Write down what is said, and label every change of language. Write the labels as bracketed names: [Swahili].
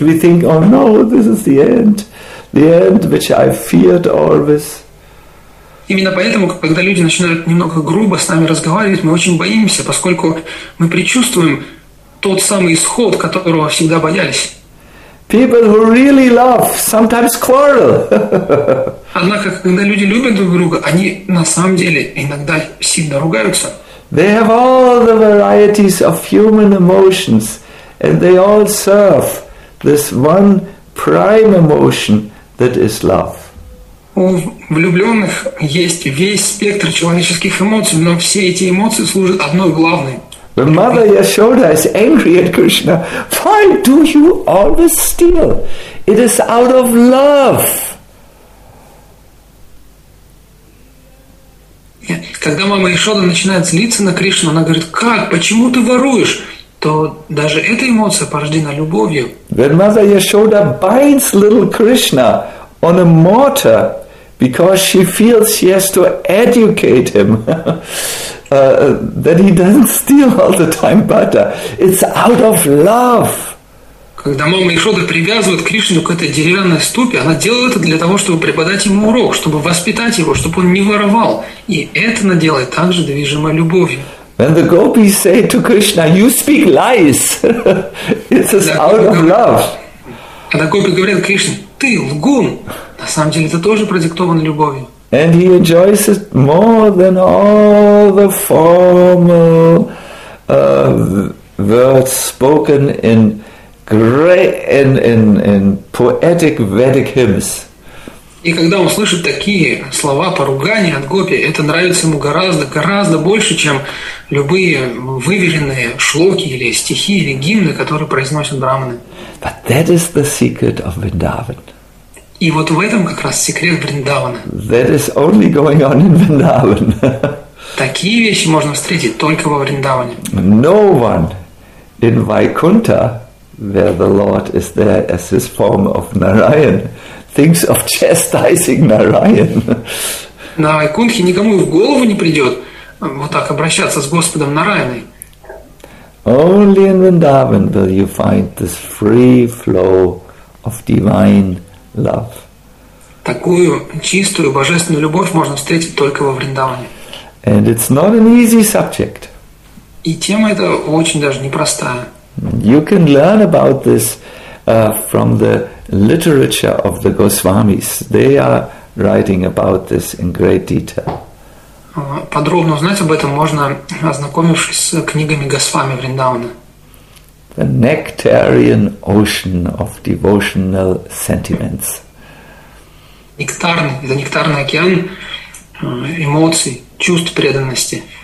[English] We think, oh no, this is the end which I feared always. [Russian] Именно поэтому, когда люди начинают немного грубо с нами разговаривать, мы очень боимся, поскольку мы предчувствуем тот самый исход, которого всегда боялись. [English] People who really love sometimes quarrel. [Russian] Однако, когда люди любят друг друга, они на самом деле иногда сильно ругаются. [English] They have all the varieties of human emotions, and they all serve this one prime emotion that is love. [Russian] У влюбленных есть весь спектр человеческих эмоций, но все эти эмоции служат одной главной. [English] When Mother Yashoda is angry at Krishna, why do you always steal? It is out of love. [Russian] Когда мама Яшода начинает злиться на Кришну, она говорит: «Как? Почему ты воруешь?» То даже эта эмоция порождена любовью. [English] When Mother Yashoda binds little Krishna on a mortar because she feels she has to educate him. That he doesn't steal all the time butter. It's out of love. [Russian] Когда мама Яшода привязывает Кришну к этой деревянной ступе, она делает это для того, чтобы преподать ему урок, чтобы воспитать его, чтобы он не воровал. И это она делает также движимо любовью. [English] When the gopis say to Krishna, you speak lies. It's out of love. [Russian] Когда гопи говорят Кришне, ты лгун. На самом деле это тоже продиктовано любовью. [English] And he enjoys it more than all the formal words spoken in great in poetic Vedic hymns. [Russian] И когда он слышит такие слова поругания от гопи, это нравится ему гораздо, гораздо больше, чем любые выверенные шлоки или стихи или гимны, которые произносят брахманы. [English] But that is the secret of Vrindavan. [Russian] И вот в этом как раз секрет Вриндавана. [English] That is only going on in Vrindavan. [Russian] Такие вещи можно встретить только во Вриндаване. [English] No one in Vaikuntha, where the Lord is there as his form of Narayan, thinks of chastising Narayan. [Russian] На Вайкунтхе никому в голову не придет вот так обращаться с Господом Нараяной. [English] Only in Vrindavan will you find this free flow of divine love. [Russian] Такую чистую божественную любовь можно встретить только во Вриндаване. [English] And it's not an easy subject. [Russian] И тема эта очень даже непростая. [English] You can learn about this from the literature of the Goswamis. They are writing about this in great detail. [Russian] подробно узнать об этом можно, ознакомившись с книгами Госвами Вриндавана. [English] The nectarian ocean of devotional sentiments. [Russian] Нектарный, это нектарный океан эмоций, чувств преданности.